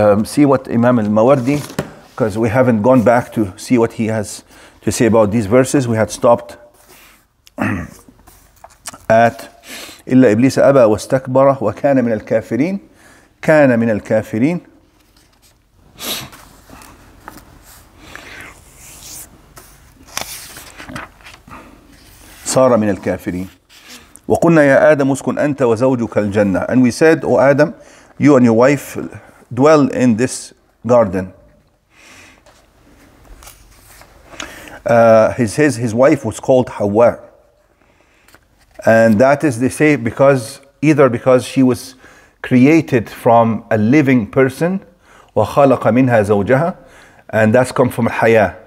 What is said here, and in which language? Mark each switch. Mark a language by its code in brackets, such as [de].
[en] See what Imam al-Mawardi, because we haven't gone back to see what he has to say about these verses. We had stopped at [ar] إِلَّا إِبْلِيسَ أَبَى وَاسْتَكْبَرَ وَكَانَ مِنَ الْكَافِرِينَ كَانَ مِنَ الْكَافِرِينَ صَارَ مِنَ الْكَافِرِينَ وَقُلْنَا يَا آدَمُ اسْكُنْ أَنْتَ وَزَوْجُكَ الْجَنَّةَ. [en] And we said, O Adam, you and your wife dwell in this garden. His wife was called Hawa. And that is, they say, because either because she was created from a living person, [ar] وَخَلَقَ مِنْهَا زَوْجَهَا, [en] and that's come from Haya.